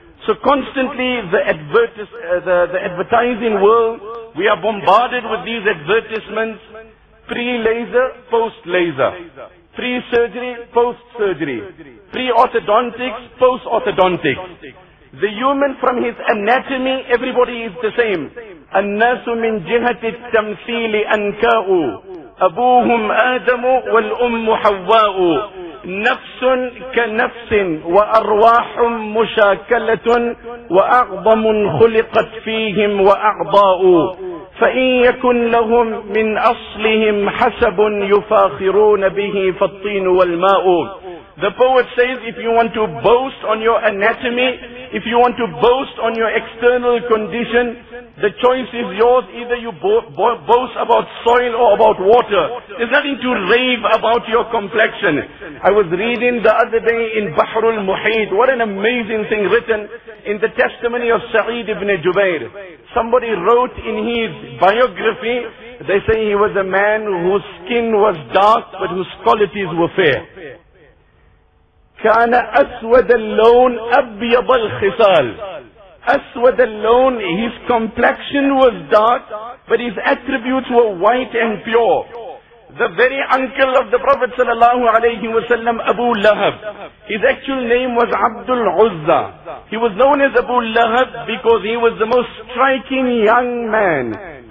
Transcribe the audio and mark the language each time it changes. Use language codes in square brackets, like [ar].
[en] So constantly the advertising world, we are bombarded with these advertisements: pre-laser, post-laser, pre-surgery, post-surgery, pre-orthodontics, post-orthodontics. The human from his anatomy, everybody is the same. [ar] النَّاسُ مِنْ جِهَةِ التَّمْثِيلِ أَنْكَاءُ أبوهم آدم والأم حواء، نفس كنفس وأرواح مشاكلة، وأعظم خلقت فيهم وأعضاء، فإن يكن لهم من أصلهم حسب يفاخرون به فالطين والماء. [en] The poet says, if you want to boast on your anatomy, if you want to boast on your external condition, the choice is yours. Either you boast about soil or about water. There's nothing to rave about your complexion. I was reading the other day in Bahrul Muhit, what an amazing thing written in the testimony of Sa'id ibn Jubair. Somebody wrote in his biography, they say he was a man whose skin was dark but whose qualities were fair. [ar] كان أسود اللون أبيض الخصال. أسود اللون, [en] his complexion was dark, but his attributes were white and pure. The very uncle of the Prophet sallallahu alayhi wa sallam, Abu Lahab, his actual name was Abdul Uzza. He was known as Abu Lahab because he was the most striking young man.